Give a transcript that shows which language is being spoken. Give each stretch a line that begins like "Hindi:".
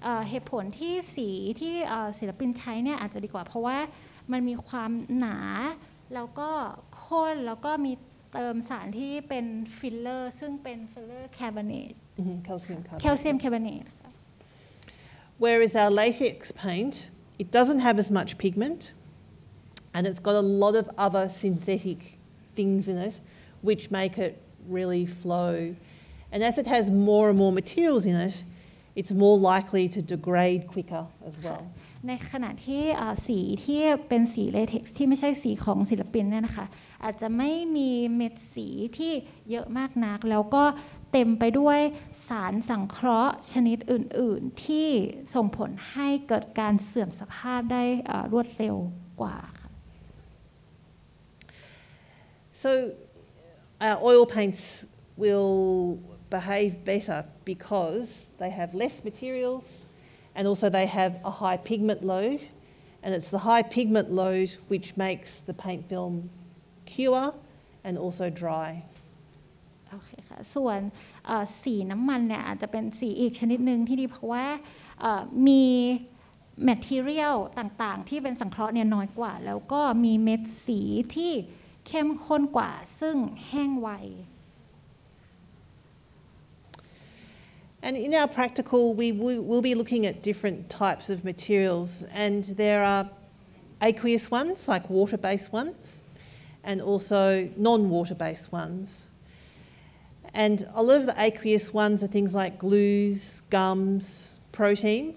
Thai: เหตุผลที่สีที่ศิลปินใช้เนี่ยอาจจะดีกว่าเพราะว่ามันมีความหนาแล้วก็ข้นแล้วก็มีเติมสารที่เป็นฟิลเลอร์ซึ่งเป็นฟิลเลอร์คาร์บอเนต แคลเซียม คาร์บอเนต
English: Whereas our latex paint it doesn't have as much pigment and it's got a lot of other synthetic things in it which make it really flow and as it has more and more materials in it it's more likely to degrade quicker as well
Thai: ในขณะที่สีที่เป็นสีเลเท็กซ์ที่ไม่ใช่สีของศิลปินเนี่ยนะคะอาจจะไม่มีเม็ดสีที่เยอะมากนักแล้วก็เต็มไปด้วยสารสังเคราะห์ชนิดอื่นๆที่ส่งผลให้เกิดการเสื่อมสภาพได้รวดเร็วกว่าค่ะ
English: So our oil paints will behave better because they have less materials and also they have a high pigment load and it's the high pigment load which makes the paint filmcure and also dry
Thai: โอเคค่ะส่วนสีน้ำมันเนี่ยอาจจะเป็นสีอีกชนิดนึงที่ดีเพราะว่ามี material ต่างๆที่เป็นสังเคราะห์เนี่ยน้อยกว่าแล้วก็มีเม็ดสีที่เข้มข้นกว่าซึ่งแห้งไว
English: And in our practical, we will be looking at different types of materials, and there are aqueous ones, like water-based ones, and also non-water-based ones. And a lot of the aqueous ones are things like glues, gums, protein.